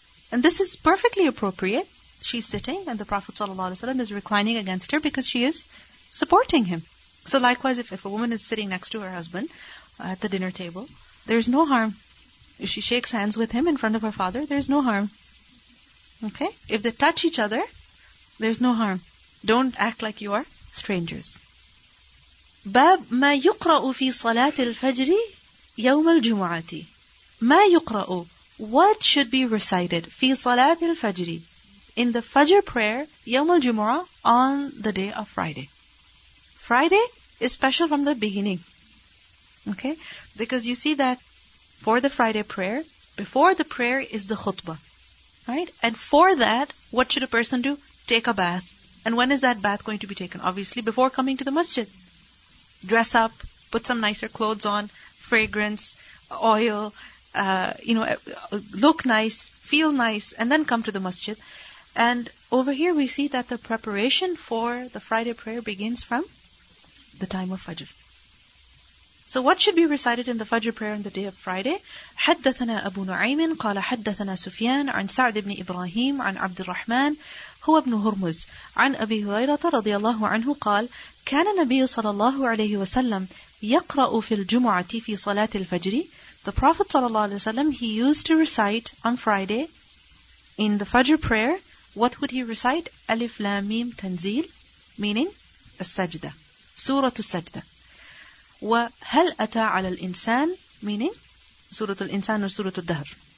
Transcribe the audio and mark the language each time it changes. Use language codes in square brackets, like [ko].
[en] And this is perfectly appropriate. She's sitting and the Prophet ﷺ is reclining against her because she is supporting him. So likewise, if a woman is sitting next to her husband at the dinner table, there's no harm. If she shakes hands with him in front of her father, there's no harm. Okay? If they touch each other, there's no harm. Don't act like you are strangers. [ar] باب ما يقرأ في صلاة الفجر يوم الجمعة. ما يقرأ. [en] What should be recited [ar] في صلاة الفجر, [en] in the Fajr prayer, [ar] يوم الجمعة, [en] on the day of Friday. Friday is special from the beginning. Okay? Because you see that for the Friday prayer, before the prayer is the khutbah. Right? And for that, what should a person do? Take a bath. And when is that bath going to be taken? Obviously, before coming to the masjid. Dress up, put some nicer clothes on, fragrance, oil, you know, look nice, feel nice, and then come to the masjid. And over here we see that the preparation for the Friday prayer begins from the time of Fajr. So what should be recited in the Fajr prayer on the day of Friday? [ar] حدثنا أبو نعيم قال حدثنا سفيان عن سعد بن إبراهيم عن عبد الرحمن هو ابن هرمز عن أبي هريرة رضي الله عنه قال كان النبي صلى الله عليه وسلم يقرأ في الجمعة في صلاة الفجر. [en] The Prophet ﷺ, he used to recite on Friday in the Fajr prayer. What would he recite? Alif Lam Mim Tanzil, meaning As-Sajda, Surah As-Sajda. [ar] وَهَلْ أَتَى عَلَى الْإِنسَانِ, [en] meaning Surah Al-Insan or Surah Al-Dahr.